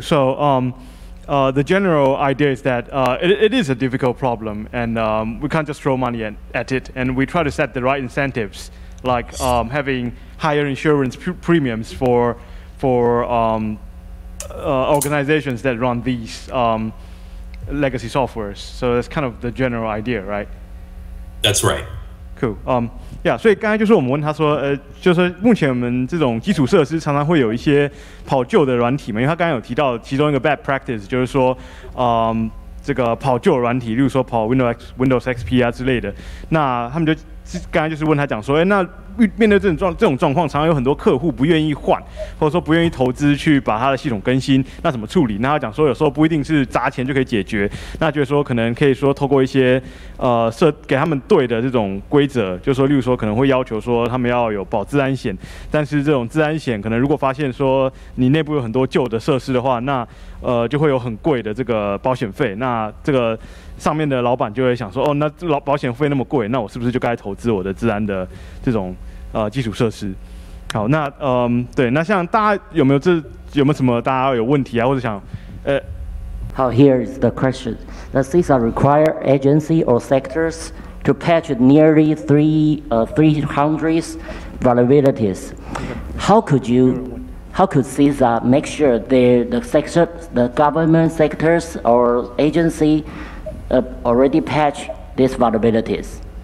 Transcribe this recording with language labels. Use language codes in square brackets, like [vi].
[en] So the general idea is that it is a difficult problem, and we can't just throw money at it. And we try to set the right incentives, like having higher insurance premiums for organizations that run these legacy softwares. So that's kind of the general idea, right? That's right. Cool. [zh] Yeah, 所以刚才就是我们问他说，就是目前我们这种基础设施常常会有一些跑旧的软体嘛，因为他刚才有提到其中一个 bad practice 就是说，这个跑旧软体，例如说跑 Windows XP 啊之类的。那他们就刚才就是问他讲说，那面对这种状况，常常有很多客户不愿意换，或者说不愿意投资去把他的系统更新，那怎么处理？那他讲说，有时候不一定是砸钱就可以解决，那就是说可能可以说透过一些设给他们对的这种规则，就是说例如说可能会要求说他们要有保自安险，但是这种自安险可能如果发现说你内部有很多旧的设施的话，那就会有很贵的这个保险费，那这个上面的老板就会想说，哦，那保险费那么贵，那我是不是就该投资我的自安的这种基础设施？好，那对，那像大家有没有什么大家有问题啊，或者想 [en] 好 ，Here is the question. The CISA require agency or sectors to patch nearly 300 vulnerabilities. How could CISA make sure the government sectors or agency already patch these vulnerabilities?